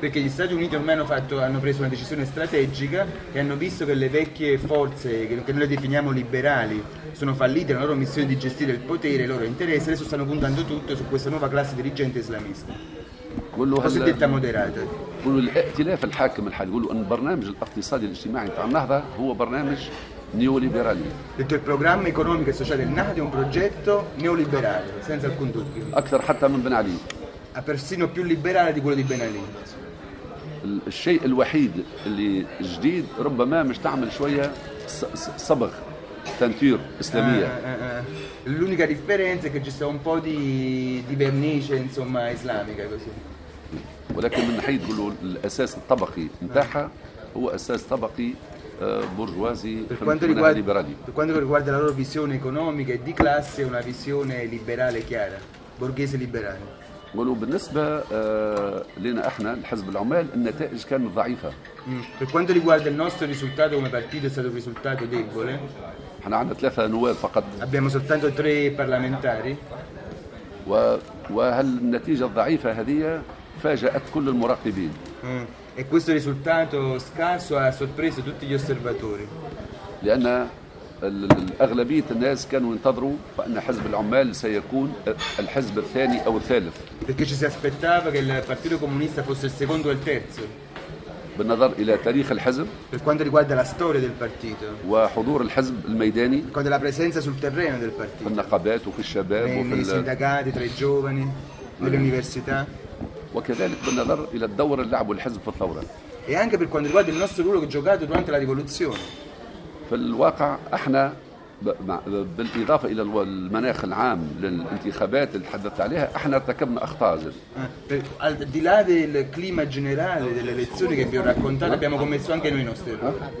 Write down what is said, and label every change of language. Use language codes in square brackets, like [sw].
[it] Perché gli Stati Uniti ormai hanno preso una decisione strategica e hanno visto che le vecchie forze che noi definiamo liberali sono fallite nella loro missione di gestire il potere, il loro interesse, adesso stanno puntando tutto su questa nuova classe dirigente islamista. Cosiddetta moderata. [ar] قولوا الائتلاف الحاكم الحالي، قولوا أن برنامج الاقتصادي الاجتماعي تاع النهضة هو برنامج نيوليبرالي. [it] Detto il programma economico e sociale del Nahda è un progetto neoliberale senza alcun dubbio. [ar] أكثر حتى من بن علي. [it] A persino più liberale di quello di Ben Ali. [ar] الشيء الوحيد اللي جديد ربما مش تعمل شوية صبغ تنتير إسلامية. [it] L'unica differenza è che ci sta un po' di vernice insomma islamica così. [ar] ولكن من ناحية يقولوا الأساس الطبقي نتاعها هو أساس طبقي برجوازي ليبرالي. [it] Per quanto riguarda la loro visione economica e di classe, una visione liberale chiara, borghese liberale. [ar] قولوا بالنسبة لنا احنا الحزب العمال النتائج كانت ضعيفة. [it] Per quanto riguarda il nostro risultato come partito è stato un risultato debole. [ar] احنا عندنا ثلاثة نواب فقط. [it] Abbiamo soltanto tre parlamentari. [ar] وهل النتيجة الضعيفة هذه فاجأت كل المراقبين. [it] E questo risultato scarso ha sorpreso tutti gli osservatori. [ar] لأن الأغلبية الناس كانوا ينتظروا أن حزب العمال سيكون الحزب الثاني أو الثالث. [it] Perché ci si aspettava che il Partito Comunista fosse il secondo o il terzo. [ar] بالنظر إلى تاريخ الحزب. [it] Per quanto riguarda la storia del partito. [ar] وحضور الحزب الميداني. [it] Con la presenza sul terreno del partito. [ar] في النقابات وفي الشباب. [it] Nei sindacati tra i giovani. Nelle università. [ar] وكذلك بالنظر إلى الدور اللي لعبه الحزب في الثورة. [it] E anche per quanto riguarda il nostro ruolo che ho giocato durante la rivoluzione. [ar] في الواقع احنا بالاضافه الى المناخ العام للانتخابات اللي تحدثت عليها احنا ارتكبنا اخطاء. [it] Al di là del clima generale delle elezioni che vi ho raccontato abbiamo commesso anche noi i nostri errori.